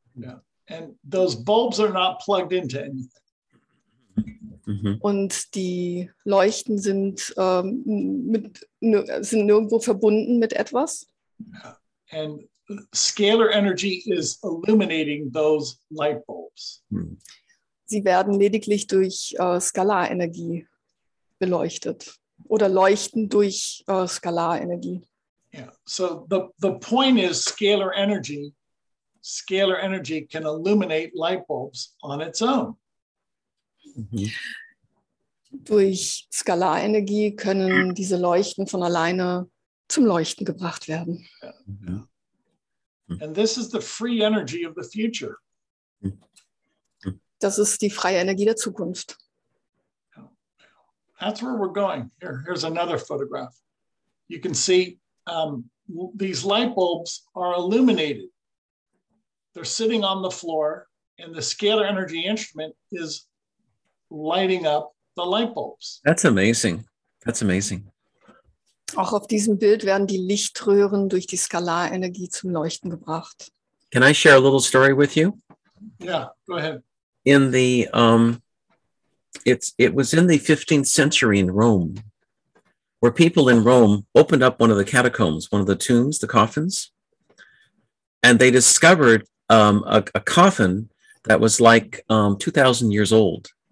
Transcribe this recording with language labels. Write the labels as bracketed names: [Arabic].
[English] Yeah, and those bulbs are not plugged into anything. Mm-hmm. [German] Und die Leuchten sind sind nirgendwo verbunden mit etwas. [English] And scalar energy is illuminating those light bulbs. [German] Sie werden lediglich durch Skalarenergie beleuchtet oder leuchten durch Skalarenergie. [English] Yeah. So the point is scalar energy can illuminate light bulbs on its own. [German] Durch Skalarenergie können diese Leuchten von alleine zum Leuchten gebracht werden. [English] And this is the free energy of the future. [German] Das ist die freie Energie der Zukunft. [English] That's where we're going. Here's another photograph. You can see these light bulbs are illuminated. They're sitting on the floor and the scalar energy instrument is lighting up the light bulbs. That's amazing. That's amazing. [German] Auch auf diesem Bild werden die Lichtröhren durch die Skalarenergie zum Leuchten gebracht. [English] Can I share a little story with you? Yeah, go ahead. In the it was in the 15th century in Rome, where people in Rome opened up one of the catacombs, one of the tombs, the coffins, and they discovered a coffin that was like 2,000 years old.